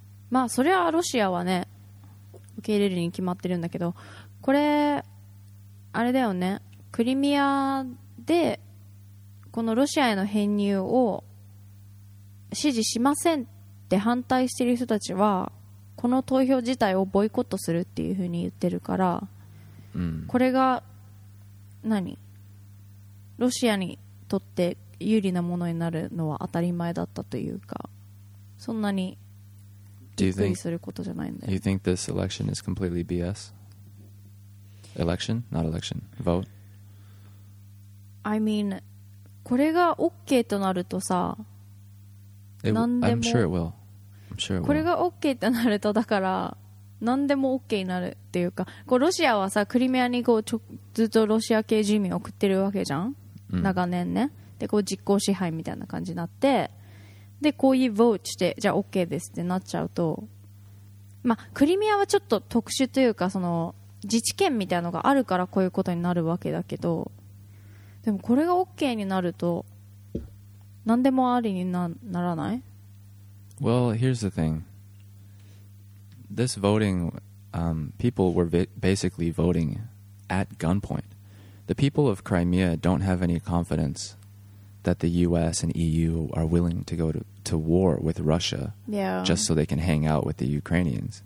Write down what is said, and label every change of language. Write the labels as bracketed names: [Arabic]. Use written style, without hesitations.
[Japanese] まあ、それはロシアはね、受け入れるに決まってるんだけど、これ…あれだよね、クリミアでこのロシアへの編入を支持しませんって反対している人たちはこの投票自体をボイコットするっていう風に言ってるから、うん、これが何ロシアにとって有利なものになるのは当たり前だったというかそんなにびっくりすることじゃないんだよ。 [English] Do you think this election is completely BS? Election? Not election. Vote? I mean, [Japanese] これが OK となるとさ、何でも。 [English] I'm sure it will. I'm sure it will. [Japanese] これが OK となると、だから、何でも OK になるっていうか、こうロシアはさ、クリミアにこうちょずっとロシア系住民を送ってるわけじゃん、うん、長年ね。で、こう実効支配みたいな感じになって、で、こういう vote して、じゃあ OK ですってなっちゃうと、まあ、クリミアはちょっと特殊というか、その、自治権みたいなのがあるからこういうことになるわけだけどでもこれが OK になると何でもありにならない? [English] Well, here's the thing. This voting, people were basically voting at gunpoint. The people of Crimea don't have any confidence that the US and EU are willing to go to war with Russia、 yeah. just so they can hang out with the Ukrainians.